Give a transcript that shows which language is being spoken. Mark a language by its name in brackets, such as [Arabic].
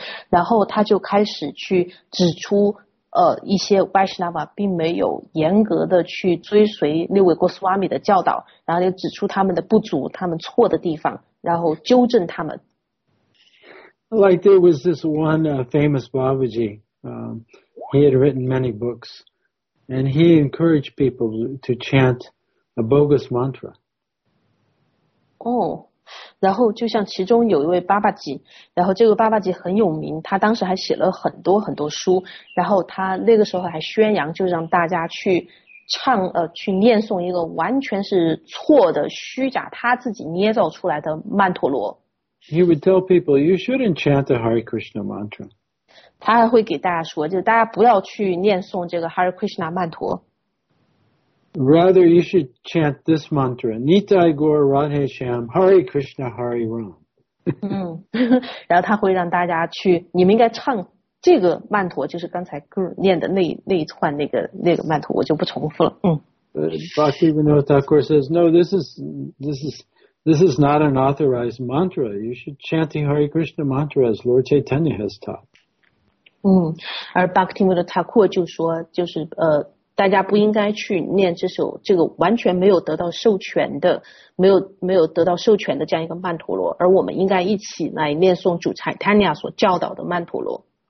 [Chinese] 然后他就开始去指出一些 Vaishnava 并没有严格的去追随六位 Goswami 的教导，然后又指出他们的不足，他们错的地方，然后纠正他们。 [English] Like there was this one famous Babaji, He had written many books, and he encouraged people to chant a bogus mantra. [Chinese] Oh, 然后就像其中有一位巴巴吉，然后这个巴巴吉很有名，他当时还写了很多很多书，然后他那个时候还宣扬，就让大家去唱去念诵一个完全是错的虚假，他自己捏造出来的曼陀罗。 [English] He would tell people you shouldn't chant the Hare Krishna mantra. [Chinese] 他还会给大家说，就是大家不要去念诵这个 Hare Krishna 曼陀。 [English] Rather, you should chant this mantra: Nitai Gaur Radhe Shyam Hare Krishna Hare Ram. [Chinese] 嗯，然后他会让大家去，你们应该唱这个曼陀，就是刚才念的那一串那个曼陀，我就不重复了。嗯。 [English] Bhaktivinoda Thakur says, "No, this is not an authorized mantra. You should chant the Hare Krishna mantra as Lord Chaitanya has taught." [Chinese] 嗯，而 Bhaktivinoda Thakur 就说，就是大家不应该去念这个完全没有得到授权的，没有得到授权的这样一个曼陀罗，而我们应该一起来念诵主 Chaitanya 所教导的曼陀罗。